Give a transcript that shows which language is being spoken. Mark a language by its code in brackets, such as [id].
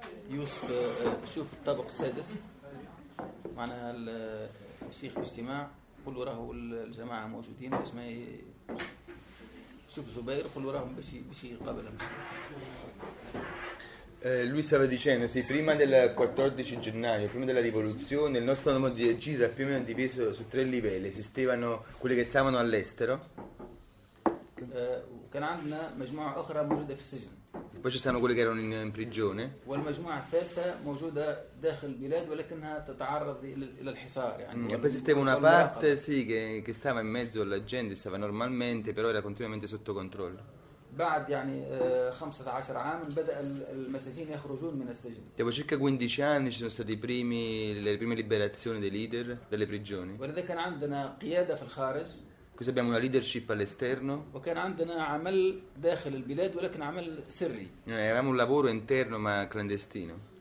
[ar] يوسف شوف الطابق السادس معنا الشيخ في اجتماع قولوا راهو الجماعة موجودين باش ما شوف زبير قولوا راهم باش يقابلهم [it] Lui stava dicendo, sì, prima del 14 gennaio, prima della rivoluzione, il nostro modo di agire era più o meno diviso su tre livelli. Esistevano quelli che stavano all'estero. [ar] كان عندنا مجموعة أخرى موجودة في السجن. [it] Poi ci stanno quelli che erano in prigione. [ar] والمجموعة الثالثة موجودة داخل البلاد ولكنها تتعرض إلى الحصار يعني. [it] E poi esisteva una parte, sì, che stava in mezzo alla gente, stava normalmente, però era continuamente sotto controllo. [ar] بعد يعني 15 عام بدأ المساجين يخرجون من السجن. [it] Dopo circa 15 anni ci sono stati i primi le prime liberazioni dei leader dalle prigioni. [ar] ولذا كان عندنا قيادة في الخارج. [it] Così abbiamo una leadership all'esterno. Avevamo un lavoro interno ma clandestino.